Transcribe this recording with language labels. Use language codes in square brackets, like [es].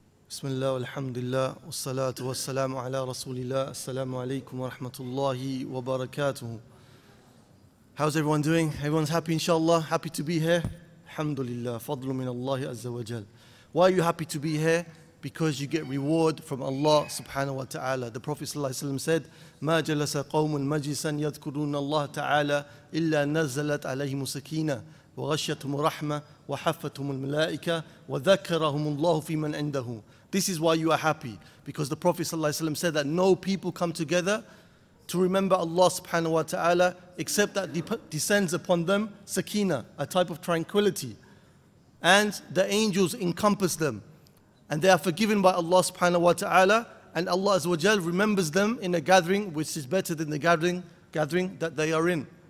[ar] بسم الله والحمد لله والصلاة والسلام على رسول الله السلام عليكم ورحمة الله وبركاته. [en] How's everyone doing? Everyone's happy, inshallah. Happy to be here. Alhamdulillah. [ar] فضل من الله عز وجل. [en] Why are you happy to be here? Because you get reward from Allah subhanahu wa ta'ala. The Prophet sallallahu alaihi wasallam said, [ar] مَا جَلَسَ قَوْمٌ مَجْلِسًا يَذْكُرُونَ اللَّهَ تَعَالَى إِلَّا نَزَّلَتْ عَلَيْهِمُ السَّكِينَةُ وَغَشَّتْهُمُ الرَّحْمَةُ وَحَفَّتْهُمُ الْمَلَائِكَةُ وَذَكَّرَهُمُ اللَّهُ فِي مَنْ عِنْدَهُ. [en] This is why you are happy, because the Prophet sallallahu alaihi wasallam said that no people come together to remember Allah subhanahu wa ta'ala except that descends upon them sakina, a type of tranquility, and the angels encompass them, and they are forgiven by Allah subhanahu wa ta'ala, and Allah azza wa jal remembers them in a gathering which is better than the gathering that they are in.